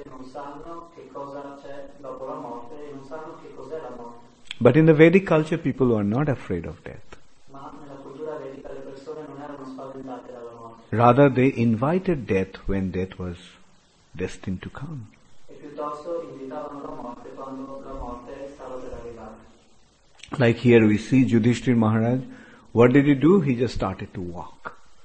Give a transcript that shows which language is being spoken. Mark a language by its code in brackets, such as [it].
[it] sanno che cosa c'è dopo la morte e non sanno che cos'è la morte. [en] But in the Vedic culture, people were not afraid of death. [it] Ma nella cultura vedica le persone non erano spaventate dalla morte. [en] Rather, they invited death when death was destined to come. [it] E piuttosto invitavano la morte quando la morte stava per arrivare. [en] Like here we see Yudhishthira Maharaj, what did he do? He just started to walk.